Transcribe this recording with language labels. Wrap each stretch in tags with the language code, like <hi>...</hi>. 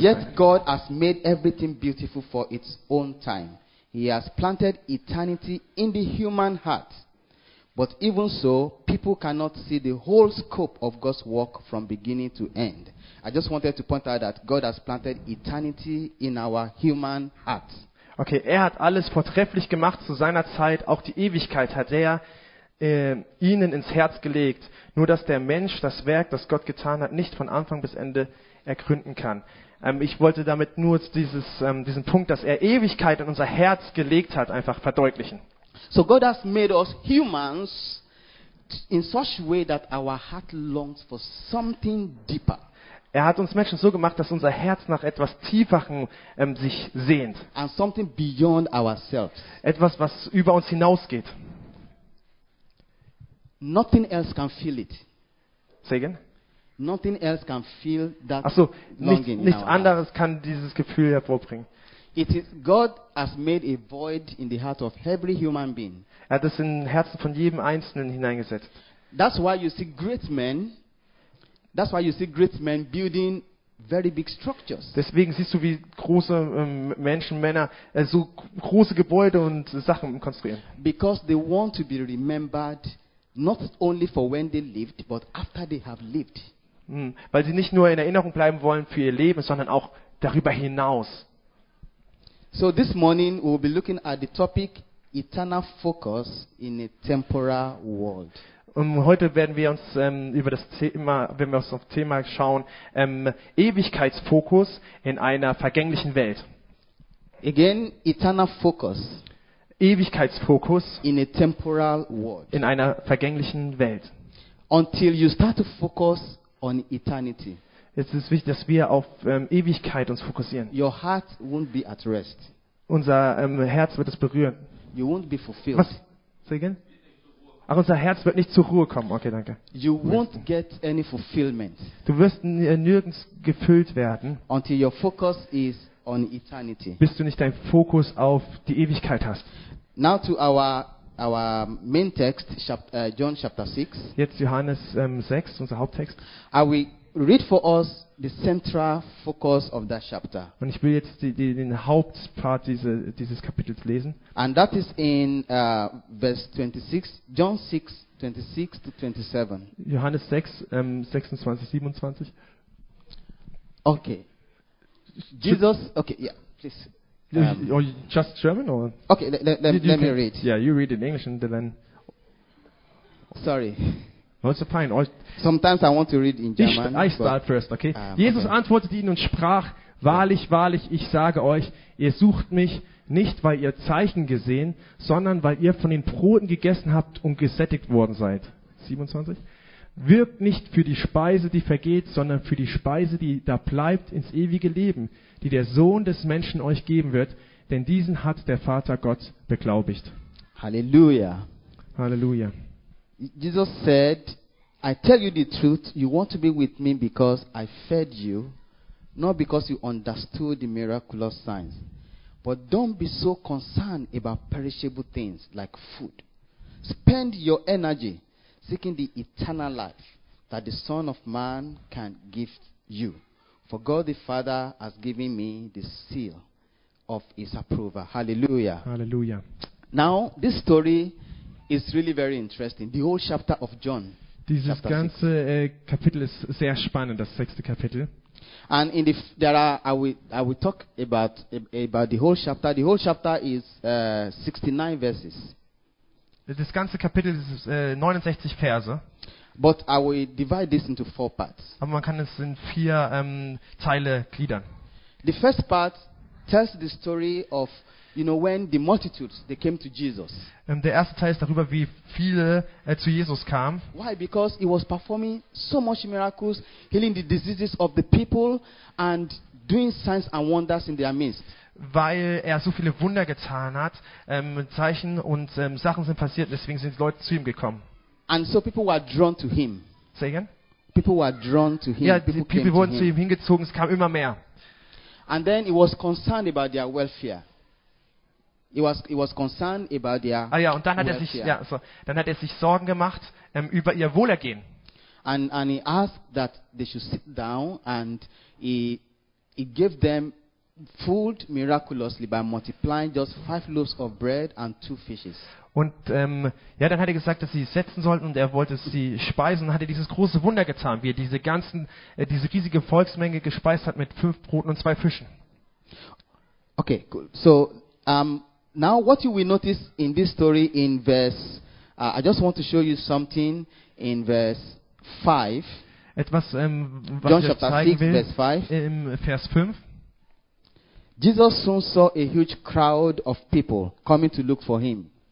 <en>yet God has made everything beautiful for its own time. He has planted eternity in the human heart. But even so, people cannot see the whole scope of God's work from beginning to end. I just wanted to point out that God has planted eternity in our human heart.</en> <de>Okay, hat alles vortrefflich gemacht zu seiner Zeit, auch die Ewigkeit hat ihnen ins Herz gelegt, nur dass der Mensch das Werk, das Gott getan hat, nicht von Anfang bis Ende ergründen kann. Ich wollte damit nur diesen Punkt, dass Ewigkeit in unser Herz gelegt hat, einfach verdeutlichen.</de> <en>So God has made us humans in such way that our heart longs for something deeper.</en> <de>Er hat uns Menschen so gemacht, dass unser Herz nach etwas Tieferem sich sehnt.</de> <en>And something beyond ourselves.</en> <de>Etwas, was über uns hinausgeht.</de> <en>Nothing else can feel it. Say again? Nothing else can feel that.</en> <de>Ach so, nichts anderes kann dieses Gefühl hervorbringen.</de> <en>It is God has made a void in the heart of every human being.</en> <de>Er hat es in den Herzen von jedem Einzelnen hineingesetzt.</de> <en>That's why you see great men building very big structures.</en> <de>Deswegen siehst du, wie große Menschen, Männer so große Gebäude und Sachen konstruieren.</de> <en>Because they want to be remembered not only for when they lived, but after they have lived.</en> <de>Weil sie nicht nur in Erinnerung bleiben wollen für ihr Leben, sondern auch darüber hinaus.</de> <en>So this morning we will be looking at the topic eternal focus in a temporal world.</en> <de>Und heute werden wir uns über das Thema, wenn wir uns auf das Thema schauen, Ewigkeitsfokus in einer vergänglichen Welt.</de> <en>Again, eternal focus.</en> <de>Ewigkeitsfokus</de> <en>in a temporal world.</en> <de>In einer vergänglichen Welt.</de> <en>Until you start to focus on eternity.</en> <de>Es ist wichtig, dass wir auf Ewigkeit uns fokussieren.</de> <en>Your heart won't be at rest.</en> <de>Unser Herz wird es berühren.</de> <en>You won't be fulfilled.</en> <de>Was?</de> <en>Say again?</en> <de>Ach, unser Herz wird nicht zur Ruhe kommen. Okay, danke.</de> <en>You won't get any fulfillment.</en> <de>Du wirst nirgends gefüllt werden,</de> <en>until your focus is on eternity.</en> <de>Bis du nicht deinen Fokus auf die Ewigkeit hast.</de> <en>Now to our main text, John chapter 6.</en> <de>Jetzt Johannes 6, unser Haupttext.</de> <en>I will read for us the central focus of that chapter.</en> <de>Und ich will jetzt den Hauptpart dieses Kapitels lesen.</de> <en>And that is in verse 26, John 6, 26 to 27.</en> <de>Johannes 6, 26, 27.</de> <en>Okay. Jesus, okay, yeah, please. Or just German, or okay? Let me read. Yeah, you read in English, and then. Sorry. No, it's fine. Sometimes I want to read in German. I start first, okay?</en> <de>Jesus antwortete ihnen und sprach: Wahrlich, wahrlich, ich sage euch, ihr sucht mich nicht, weil ihr Zeichen gesehen, sondern weil ihr von den Broten gegessen habt und gesättigt worden seid. 27. Wirkt nicht für die Speise, die vergeht, sondern für die Speise, die da bleibt ins ewige Leben, die der Sohn des Menschen euch geben wird, denn diesen hat der Vater Gott beglaubigt. Halleluja. Halleluja.</de> <en>Jesus said, I tell you the truth, you want to be with me because I fed you, not because you understood the miraculous signs. But don't be so concerned about perishable things like food. Spend your energy seeking the eternal life that the Son of Man can give you. For God the Father has given me the seal of his approval. Hallelujah. Hallelujah. Now, this story is really very interesting. The whole chapter of John.</en> <de>Dieses ganze Kapitel ist sehr spannend, das sechste Kapitel.</de> <en>And in the I will talk about the whole chapter. The whole chapter is 69 verses.</en> <de>Das ganze Kapitel ist 69 Verse.</de> <en>But I will divide this into four parts.</en> <de>Aber man kann es in vier Teile gliedern.</de> <en>The first part tells the story of, you know, when the multitudes they came to Jesus.</en> <de>Der erste Teil ist darüber, wie viele zu Jesus kamen.</de> <en>Why? Because he was performing so much miracles, healing the diseases of the people and doing signs and wonders in their midst.</en> <de>Weil er so viele Wunder getan hat, Zeichen und Sachen sind passiert, deswegen sind die Leute zu ihm gekommen.</de> <en>And so people were drawn to him. Say again? People were drawn to him.</en> <de>Ja,</de> <en>people</en> <de>wurden zu ihm hingezogen, es kam immer mehr.</de> <en>And then he was concerned about their welfare. He was concerned about their welfare.</en> <de>Ah ja, und dann hat</de> <en>welfare.</en> <de>Dann hat er sich Sorgen gemacht über ihr Wohlergehen.</de> <en>And he asked that they should sit down and he gave them food miraculously by multiplying just 5 loaves of bread and 2 fishes.</en> <de>Und dann hat er gesagt, dass sie setzen sollten und er wollte sie speisen und hat er dieses große Wunder getan, wie er diese riesige Volksmenge gespeist hat mit 5 Broten und 2 Fischen.</de> <en>Okay, cool. So now what you will notice in this story in verse I just want to show you something in verse 5.</en> <de>Etwas was John chapter 6, zeigen will,</de> <en>verse 5.</en> <de>Im Vers 5.</de> <en>Jesus soon saw a huge crowd of people coming to look for him.</en>